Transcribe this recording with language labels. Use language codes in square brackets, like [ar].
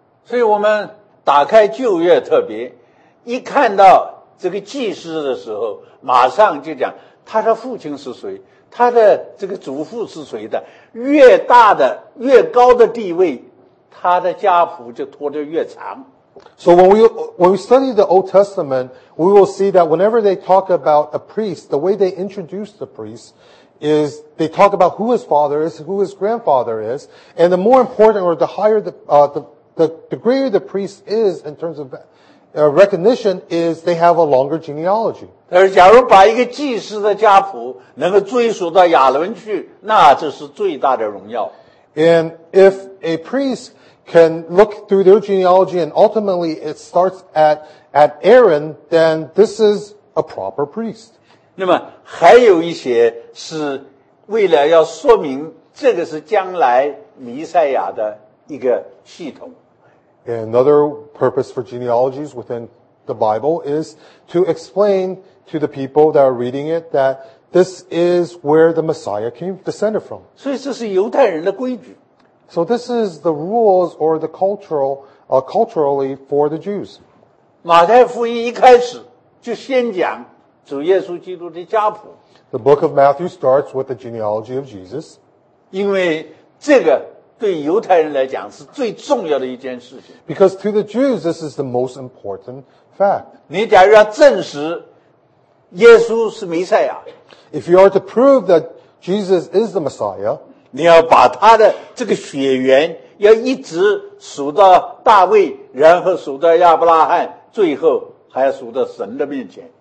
[zh] 所以我们打开旧约特别，一看到这个祭司的时候，马上就讲他的父亲是谁，他的这个祖父是谁的。越大的、越高的地位，他的家谱就拖得越长。 [en] So when we study the Old Testament, we will see that whenever they talk about a priest, the way they introduce the priest is they talk about who his father is, who his grandfather is, and the more important or the higher the greater the priest is in terms of recognition is they have a longer genealogy. [zh] 但是假如把一个祭司的家谱能够追溯到亚伦去，那这是最大的荣耀。 [en] And if a priest can look through their genealogy and ultimately it starts at Aaron, then this is a proper priest. [zh] 那么还有一些是为了要说明这个是将来弥赛亚的一个系统。 [en] Another purpose for genealogies within the Bible is to explain to the people that are reading it that this is where the Messiah came, descended from. [zh] 所以这是犹太人的规矩。 [en] So this is the rules or the cultural, culturally for the Jews. [zh] 马太福音一开始就先讲主耶稣基督的家谱。 [en] The book of Matthew starts with the genealogy of Jesus. [zh] 因为这个对犹太人来讲是最重要的一件事情。 [en] Because to the Jews, this is the most important fact. [zh] 你假如要证实耶稣是弥赛亚。 [en] If you are to prove that Jesus is the Messiah, [zh] 你要把他的这个血缘要一直数到大卫，然后数到亚伯拉罕，最后还要数到神的面前。